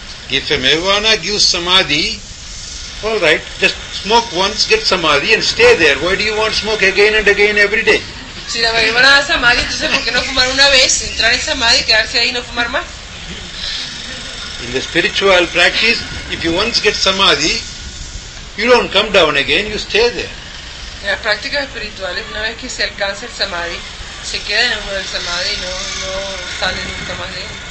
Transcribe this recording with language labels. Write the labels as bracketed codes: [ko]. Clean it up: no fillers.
[en] If a marijuana gives samadhi, all right, just smoke once, get samadhi and stay there. Why do you want smoke again and again every day? [es] Si la marihuana da samadhi, entonces ¿por qué no fumar una vez, entrar en samadhi, quedarse ahí y no fumar más? [en] In the spiritual practice, if you once get samadhi, you don't come down again, you stay there. [es] En las prácticas espirituales, una vez que se alcanza el samadhi, se queda en el samadhi y no sale nunca más de él.